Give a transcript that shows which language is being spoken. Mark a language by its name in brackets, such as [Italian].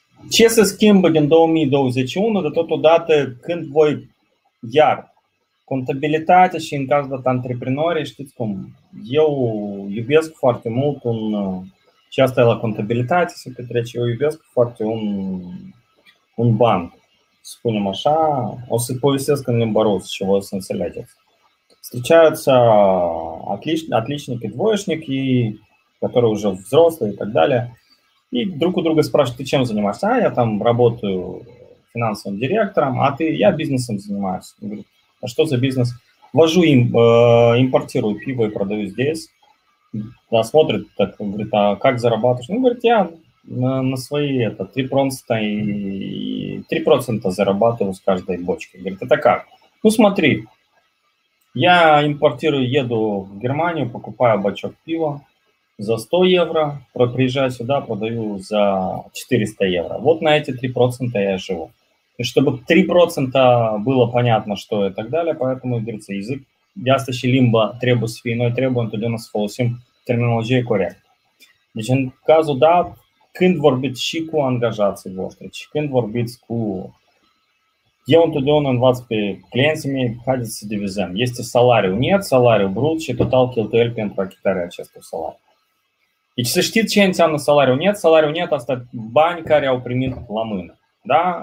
[Romanian] Ce se schimbă din 2021, de totodată când voi, iar contabilitatea și în cazul dat antreprenorii, știți cum, eu iubesc foarte mult un, și asta e la contabilitate se petrece, eu iubesc foarte un banc. Spunem așa, o să povestesc în limba rusă și voi să înțelegeți. [Russian] Встречаются отличник и двоечник, и который уже взрослый и так далее. И друг у друга спрашивают, ты чем занимаешься? А я там работаю финансовым директором, а ты, я бизнесом занимаюсь. Он говорит, а что за бизнес? Вожу им, импортирую пиво и продаю здесь. Да, смотрит, так, говорит, а как зарабатываешь? Ну, говорит, я на свои это, 3%, 3% зарабатываю с каждой бочки. Говорит, это как? Ну смотри, я импортирую, еду в Германию, покупаю бачок пива за 100 евро, приезжаю сюда, продаю за 400 евро. Вот на эти 3% я живу. И чтобы 3% было понятно, что и так далее, поэтому, говорится, язык, я [Romanian] стащи лимба требус финой [Russian] требуем, то для нас фолосим терминологию корректно. Значит, в казу да, [Romanian] când vorbiți și cu angajații voștri, și când vorbiți cu... Eu întotdeauna învăț pe clienții mei, haideți să divizăm. Este salariu net, salariu brut și total cheltuieli pentru achitarea acestui salariu. Deci să știți ce înseamnă salariu net. Salariu net, asta bani care au primit la mână. Da?